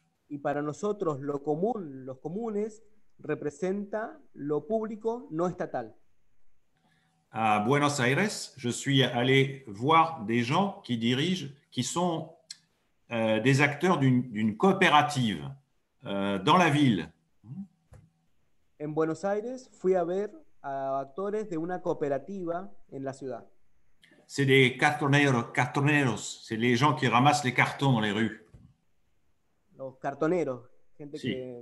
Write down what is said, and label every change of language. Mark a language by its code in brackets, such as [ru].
[es] Y para nosotros lo común, los comunes, representa lo público no estatal. [fr] À Buenos Aires, je suis allé voir des gens qui dirigent, qui sont des acteurs d'une coopérative dans la ville. [es] En Buenos Aires, fui a ver a actores de una cooperativa en la ciudad. [fr] C'est des cartoneros, c'est les gens qui ramassent les cartons dans les rues. [es] Los cartoneros, gente sí.